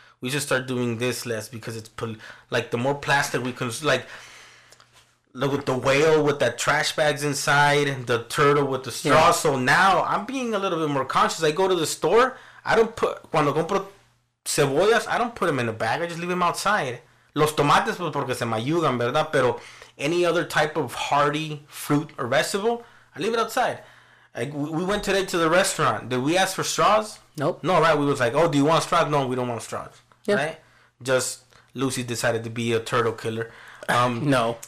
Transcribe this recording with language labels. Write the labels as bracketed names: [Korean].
[English] We should start doing this less because it's like the more plastic we consume, like, look at the whale with that trash bags inside, the turtle with the straw. Yeah. So now I'm being a little bit more conscious. I go to the store, I don't put, [Spanish] cuando compro cebollas, [English] I don't put them in a bag. I just leave them outside. [Spanish] Los tomates, pues porque se me ayudan, ¿verdad? [English] Pero any other type of hardy fruit or vegetable, I leave it outside. Like, we went today to the restaurant. Did we ask for straws? Nope. No, right? We was like, oh, do you want straws? No, we don't want straws. Yeah. Right? Just Lucy decided to be a turtle killer. No.